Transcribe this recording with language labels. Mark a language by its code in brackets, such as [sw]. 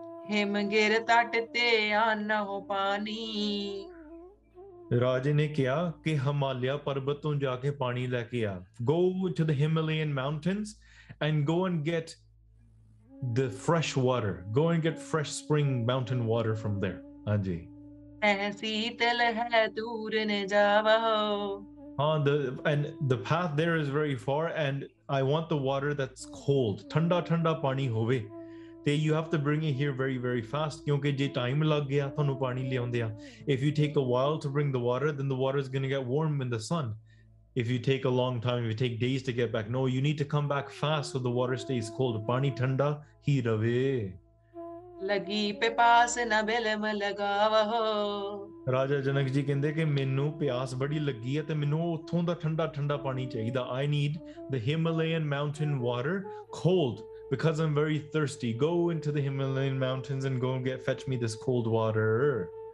[pa] ਹਿਮ ਗਿਰ ਤਟ ਤੇ ਆਨਾ ਹੋ ਪਾਣੀ। ਰਾਜੇ ਨੇ ਕਿਹਾ ਕਿ ਹਿਮਾਲਿਆ ਪਰਬਤ ਤੋਂ ਜਾ ਕੇ ਪਾਣੀ ਲੈ ਕੇ ਆ, [en] Go to the Himalayan mountains and go and get the fresh water, go and get fresh spring mountain water from there. ਹਾਂਜੀ, and the path there is very far, and I want the water that's cold, [pa] thanda thanda pani hove, te [en] you have to bring it here very very fast, [pa] kyunki je time lag gaya tonu pani leaunde a, [en] if you take a while to bring the water then the water is going to get warm in the sun, if you take a long time, if you take days to get back, no, you need to come back fast so the water stays cold, [pa] pani thanda hi rave, ਲੱਗੀ ਪਿਆਸ ਨਾ ਬਿਲਮ ਲਗਾਵੋ। ਰਾਜਾ ਜਨਕ ਜੀ ਕਹਿੰਦੇ ਕਿ ਮੈਨੂੰ ਪਿਆਸ ਬੜੀ ਲੱਗੀ ਹੈ ਤੇ ਮੈਨੂੰ ਉੱਥੋਂ ਦਾ ਠੰਡਾ ਠੰਡਾ ਪਾਣੀ ਚਾਹੀਦਾ, [en] I need the Himalayan mountain water cold because I am very thirsty, go into the Himalayan mountains and go get fetch me this cold water.